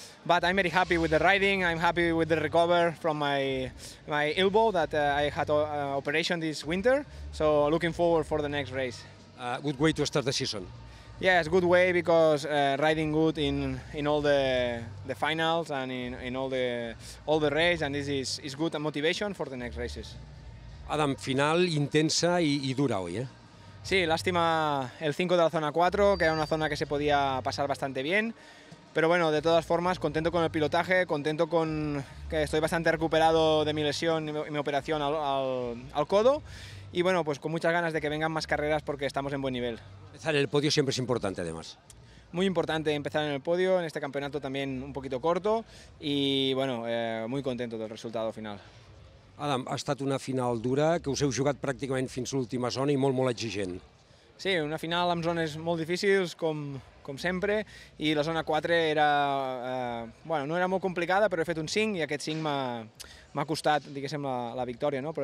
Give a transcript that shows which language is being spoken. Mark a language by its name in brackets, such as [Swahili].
[English] But I'm very happy with the riding. I'm happy with the recover from my elbow that I had operation this winter. So looking forward for the next race. Good way to start the season. Yes, yeah, good way because riding good in all the finals and in all the races, and this is good motivation for the next races. [Spanish] Adam, final intensa y dura hoy, ¿eh? Sí, lástima el 5 de la zona 4, que era una zona que se podía pasar bastante bien. Pero bueno, de todas formas, contento con el pilotaje, contento con que estoy bastante recuperado de mi lesión y mi operación al codo. Y bueno, pues con muchas ganas de que vengan más carreras porque estamos en buen nivel. Empezar en el podio siempre es importante, además. Muy importante empezar en el podio, en este campeonato también un poquito corto. Y bueno, muy contento del resultado final. [Catalan] Adam, ha estat una final dura, que us heu jugat pràcticament fins a l'última zona i molt, molt exigent. Sí, una final amb zones molt difícils, com sempre, i la zona 4 era, bueno, no era molt complicada, però he fet un 5 i aquest 5 m'ha costat, diguéssim, la victòria, no?